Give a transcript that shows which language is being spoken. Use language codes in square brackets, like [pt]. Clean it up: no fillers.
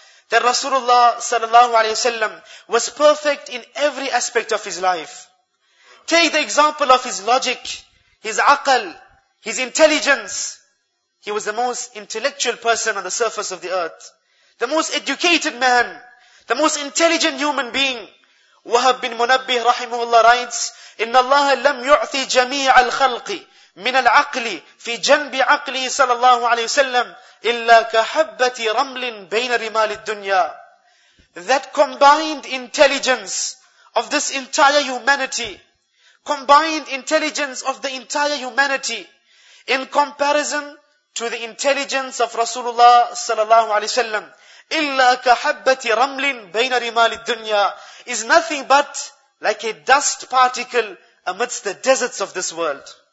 [en] that Rasulullah sallallahu alayhi wa sallam was perfect in every aspect of his life. Take the example of his logic, his aqal, his intelligence. He was the most intellectual person on the surface of the earth. The most educated man, the most intelligent human being. [ar] Wahab bin Munabbih rahimahullah writes, إِنَّ اللَّهَ لَمْ يُعْثِي جَمِيعَ الْخَلْقِ مِنَ الْعَقْلِ فِي جَنْبِ عَقْلِهِ صلى الله عليه وسلم إِلَّا كَحَبَّةِ رَمْلٍ بَيْنَ رِمَالِ الدُّنْيَا. [en] That combined intelligence of this entire humanity, combined intelligence of the entire humanity in comparison to the intelligence of Rasulullah صلى الله عليه وسلم, إِلَّا كَحَبَّةِ رَمْلٍ بَيْنَ رِمَالِ الدُّنْيَا, is nothing but like a dust particle amidst the deserts of this world.